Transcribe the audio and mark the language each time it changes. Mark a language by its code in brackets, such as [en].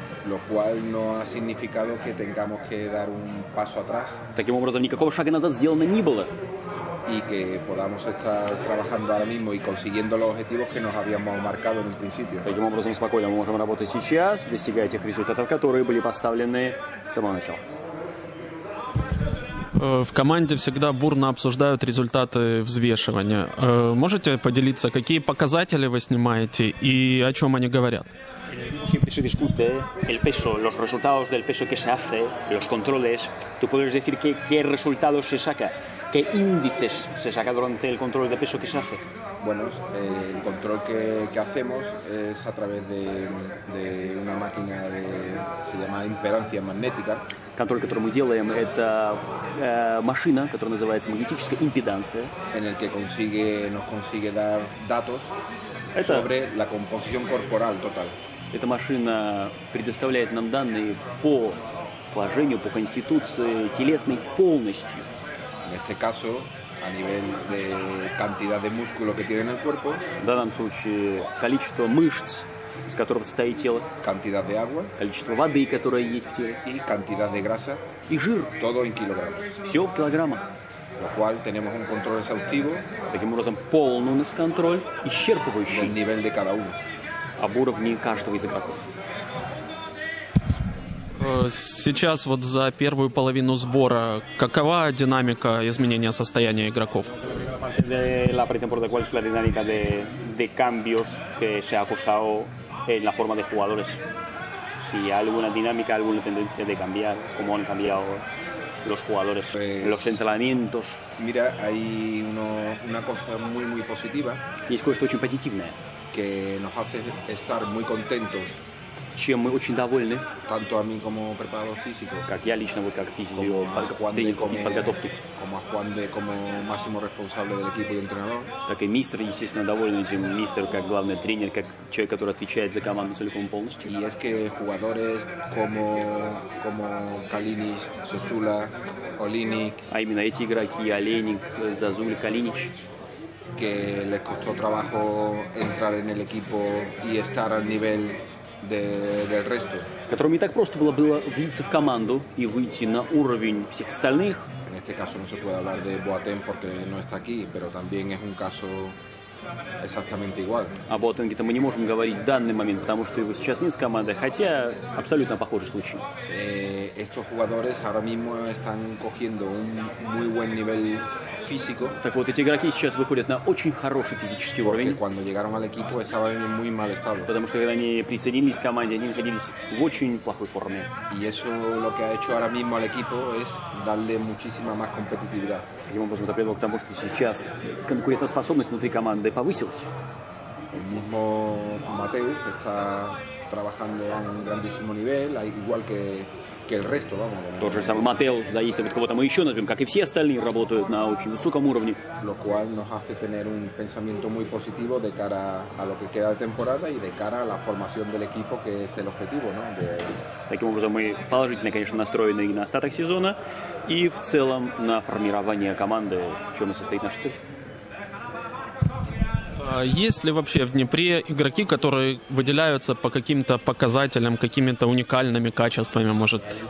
[es] Lo cual no ha significado que tengamos que dar un paso atrás. [ru] Таким образом, никакого шага назад сделано не было. [es] Y que podamos estar trabajando ahora mismo y consiguiendo los objetivos que nos habíamos marcado en un principio. [ru] Таким образом, спокойно мы можем работать сейчас, достигая тех результатов, которые были поставлены с самого начала. В команде всегда бурно обсуждают результаты взвешивания. Можете поделиться, какие показатели вы снимаете и о чем они говорят? [es] se discute, el peso, los resultados del peso que se hace, los controles, ¿tú puedes decir qué resultados se saca? ¿Qué índices se saca durante el control de peso que se hace? Bueno, el control que hacemos es a través de una máquina que se llama impedancia magnética. [ru] Контроль, который мы делаем, это машина, которая называется магнетическая импеданция. [es] En el que nos consigue dar datos sobre la composición corporal total. [ru] Эта машина предоставляет нам данные по сложению, по конституции телесной полностью. [es] En este caso, a nivel de cantidad de músculo que tiene en el cuerpo. [ru] В данном случае, количество мышц, из которого состоит тело. [es] Cantidad de agua. [ru] Количество воды, которая есть в теле. [es] Y cantidad de grasa. [ru] И жир. [es] Todo en kilogramos. [ru] Все в килограммах. [es] Lo cual tenemos un control exhaustivo. [ru] Таким образом, полный у нас контроль, исчерпывающий. [es] Del nivel de cada uno. [ru] Об уровне каждого из игроков. Сейчас вот за первую половину сбора какова динамика изменения состояния игроков? [es] De la pretemporada, ¿cuál es la dinámica de cambios que se ha causado en la forma de jugadores? Si hay alguna dinámica, alguna tendencia de cambiar, cómo han cambiado los jugadores, pues, los entrenamientos. Mira, hay una cosa muy muy positiva. Y es que esto es muy positivo, que nos hace estar muy contentos. [ru] Чем мы очень довольны, [es] tanto a mí como preparador físico, [ru] как я лично, вот как физио, тренер из подготовки, [es] como a Juan de, como máximo responsable del equipo y entrenador, [ru] так и мистер, естественно, довольны этим, мистер как главный тренер, как человек, который отвечает за команду целиком и полностью. [es] Y es que jugadores como Kalinic, Zazula, Olinic, [ru] а именно эти игроки, Олейник, Зазуль, Калинич, [es] que les costó trabajo entrar en el equipo y estar al nivel del resto. [ru] Которым не так просто было влиться в команду и выйти на уровень всех остальных. [es] En este caso no se puede hablar de Boateng porque no está aquí, pero también es un caso exactamente igual. [ru] О Боатенге-то мы не можем говорить в данный момент, потому что его сейчас нет с командой, хотя абсолютно похожий случай. [es] Estos jugadores ahora mismo están cogiendo un muy buen nivel físico. [ru] Так вот, эти игроки сейчас выходят на очень хороший физический уровень. [es] Porque cuando llegaron al equipo estaban en muy mal estado. [ru] Потому что когда они присоединились к команде, они находились в очень плохой форме. [es] Y eso lo que ha hecho ahora mismo al equipo es darle muchísima más competitividad. [ru] Таким образом, это привело к тому, что сейчас конкурентоспособность внутри команды повысилась. [es] El mismo Mateus está trabajando a un grandísimo nivel, igual que el resto, vamos. [ru] Тот же самый Матеус, да, если кого-то мы еще назовем, как и все остальные, работают на очень высоком уровне. [es] Lo cual nos hace tener un pensamiento muy positivo de cara a lo que queda de temporada y de cara a la formación del equipo, que es el objetivo, ¿no? [ru] Таким образом, мы положительно, конечно, настроены и на остаток сезона, и в целом на формирование команды, в чем и состоит наша цель. Есть ли вообще в Днепре игроки, которые выделяются по каким-то показателям, какими-то уникальными качествами, может?